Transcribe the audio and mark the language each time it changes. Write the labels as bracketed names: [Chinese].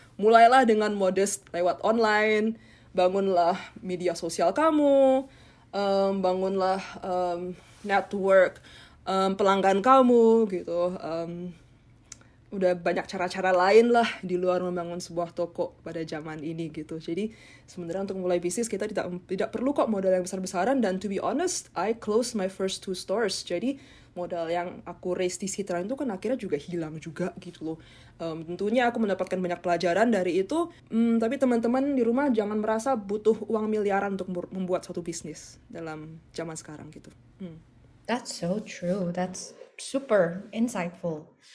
[Indonesian] Mulailah dengan modest lewat online, bangunlah media sosial kamu, bangunlah network pelanggan kamu gitu. Udah banyak cara-cara lain lah di luar membangun sebuah toko pada zaman ini gitu. Jadi sebenarnya untuk mulai bisnis kita tidak perlu kok modal yang besar-besaran. [English] Dan to be honest, I closed my first two stores. [Indonesian] Jadi modal yang aku raise di Citran itu kan akhirnya juga hilang juga gitu loh. Tentunya aku mendapatkan banyak pelajaran dari itu. Tapi teman-teman di rumah jangan merasa butuh uang miliaran untuk membuat satu bisnis dalam zaman sekarang gitu. [English] That's so true. That's super insightful.